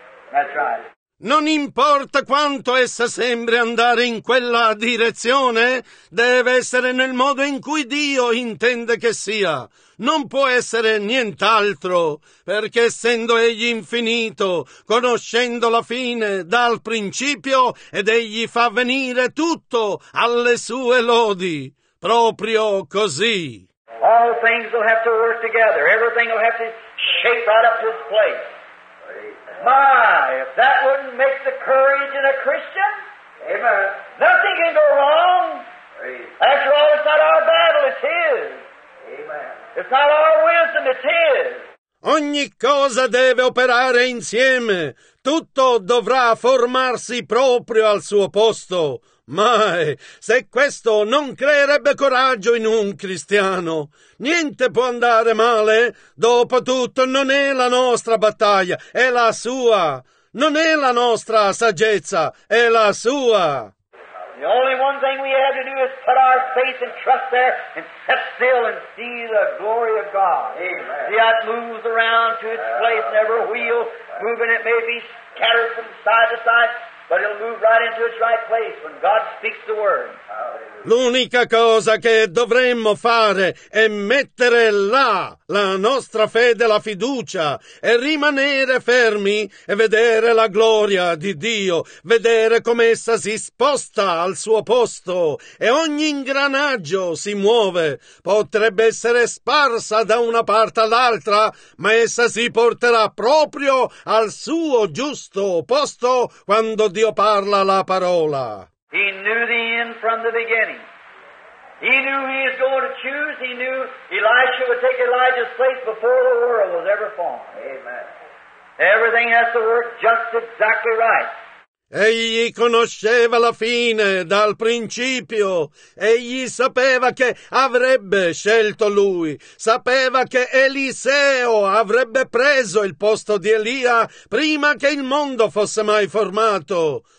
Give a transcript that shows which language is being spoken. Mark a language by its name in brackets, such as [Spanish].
[English] That's right. [Italian] Non importa quanto essa sembri andare in quella direzione, deve essere nel modo in cui Dio intende che sia. Non può essere nient'altro, perché essendo Egli infinito, conoscendo la fine dal principio, ed Egli fa venire tutto alle sue lodi, proprio così. [English] All things will have to work together. Everything will have to shape right up to its place. My, if that wouldn't make the courage in a Christian, amen. Nothing can go wrong. Praise. After all, it's not our battle, it's His. Amen. It's not our wisdom, it's His. [Italian] Ogni cosa deve operare insieme. Tutto dovrà formarsi proprio al suo posto. Mai, se questo non creerebbe coraggio in un cristiano. Niente può andare male. Dopotutto, non è la nostra battaglia, è la sua. Non è la nostra saggezza, è la sua. [English] The only one thing we have to do is put our faith and trust there and sit still and see the glory of God. Amen. See how it moves around to its place and every wheel moving, it may be scattered from side to side, but it'll move right into its right place when God speaks the word. [Italian] L'unica cosa che dovremmo fare è mettere là la nostra fede, la fiducia, e rimanere fermi e vedere la gloria di Dio, vedere come essa si sposta al suo posto e ogni ingranaggio si muove. Potrebbe essere sparsa da una parte all'altra, ma essa si porterà proprio al suo giusto posto quando Dio parla la parola. [English] He knew the end from the beginning. He knew He was going to choose. He knew Elisha would take Elijah's place before the world was ever formed. Amen. Everything has to work just exactly right. [Italian] Egli conosceva la fine dal principio. Egli sapeva che avrebbe scelto lui. Sapeva che Eliseo avrebbe preso il posto di Elia prima che il mondo fosse mai formato.